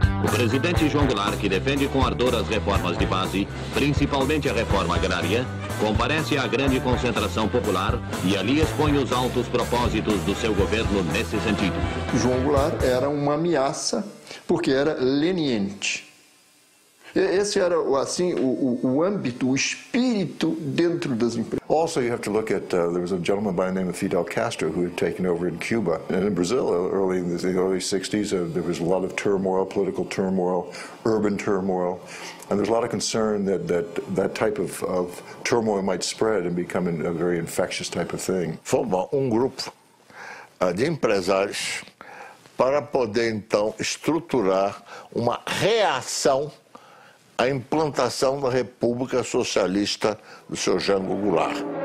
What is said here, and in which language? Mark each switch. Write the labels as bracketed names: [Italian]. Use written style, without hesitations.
[Portuguese] Presidente João Goulart, que defende com ardor as reformas de base, principalmente a reforma agrária, comparece à grande concentração popular e ali expõe os altos propósitos do seu governo nesse sentido. João Goulart era uma ameaça porque era leniente. Esse era assim o âmbito, o espírito dentro das empresas. [English] Also, you have to look at there was a gentleman by the name of Fidel Castro who had taken over in Cuba and in Brazil early in the early 60s. There was a lot of turmoil, political turmoil, urban turmoil, and there's a lot of concern that type of turmoil might spread and become a very infectious type of thing. [Portuguese] Formar grupo de empresários para poder então estruturar uma reação à implantação da República Socialista do seu Jango Goulart.